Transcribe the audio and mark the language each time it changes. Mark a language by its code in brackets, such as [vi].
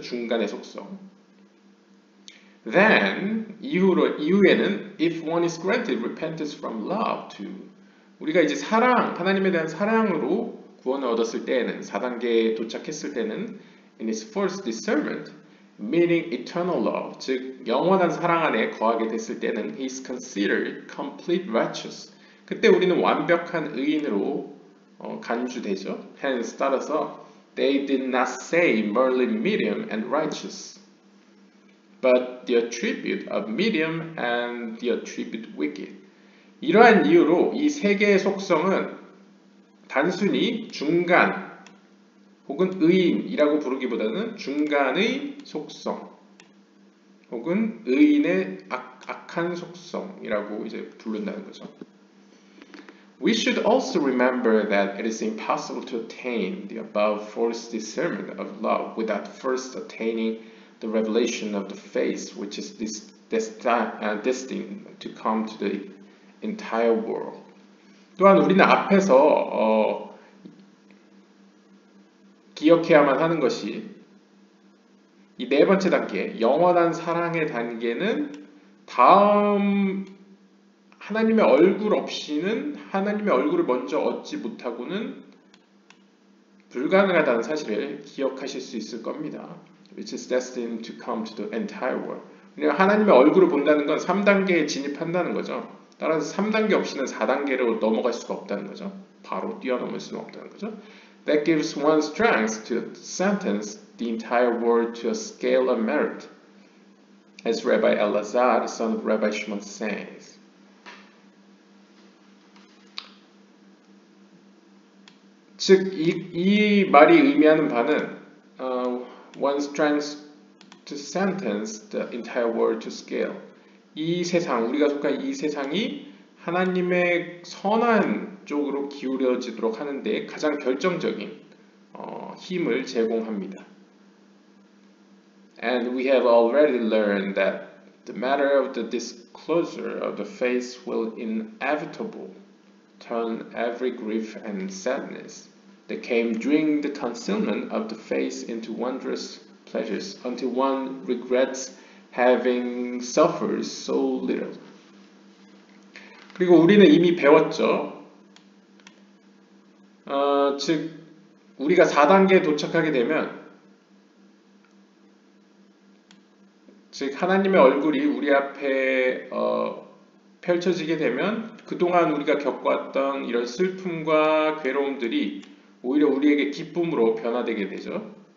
[ko] 중간의 속성. [en] Then, [ko] 이후에는 [en] if one is granted repentance from love to [ko] 우리가 이제 사랑, 하나님에 대한 사랑으로 구원을 얻었을 때에는, 4단계에 도착했을 때는 [en] in his first discernment, meaning eternal love, [ko] 즉 영원한 사랑 안에 거하게 됐을 때는 [en] he is considered complete righteous. [ko] 그때 우리는 완벽한 의인으로 간주되죠. [en] Hence, [ko] 따라서 [en] they did not say merely medium and righteous, but the attribute of medium and the attribute wicked. [ko] 이러한 이유로 이 세 개의 속성은 단순히 중간 혹은 의인이라고 부르기보다는 중간의 속성 혹은 의인의 악한 속성이라고 이제 부른다는 거죠. [en] We should also remember that it is impossible to attain the above first discernment of love without first attaining the revelation of the face, which is destined to come to the entire world. [ko] 또한 우리는 앞에서 기억해야만 하는 것이 이 네 번째 단계, 영원한 사랑의 단계는 다음 하나님의 얼굴 없이는 하나님의 얼굴을 먼저 얻지 못하고는 불가능하다는 사실을 기억하실 수 있을 겁니다. [en] Which is destined to come to the entire world. [ko] 그러니까 하나님의 얼굴을 본다는 건 3단계에 진입한다는 거죠. 따라서 3단계 없이는 4단계로 넘어갈 수가 없다는 거죠. 바로 뛰어넘을 수는 없다는 거죠. [en] That gives one strength to sentence the entire world to a scale of merit. As Rabbi Elazar, son of Rabbi Shimon, says. [ko] 즉, 이 말이 의미하는 바는 [en] one strength to sentence the entire world to scale. [ko] 이 세상, 우리가 속한 이 세상이 하나님의 선한 쪽으로 기울여지도록 하는데 가장 결정적인 힘을 제공합니다. [en] And we have already learned that the matter of the disclosure of the face will inevitably turn every grief and sadness that came during the concealment of the face into wondrous pleasures until one regrets having suffered so little. [ko] 그리고 우리는 이미 배웠죠. 즉 우리가 4단계에 도착하게 되면, 즉 하나님의 얼굴이 우리 앞에 펼쳐지게 되면 그동안 우리가 겪어왔던 이런 슬픔과 괴로움들이 오히려 우리에게 기쁨으로 변화되게 되죠.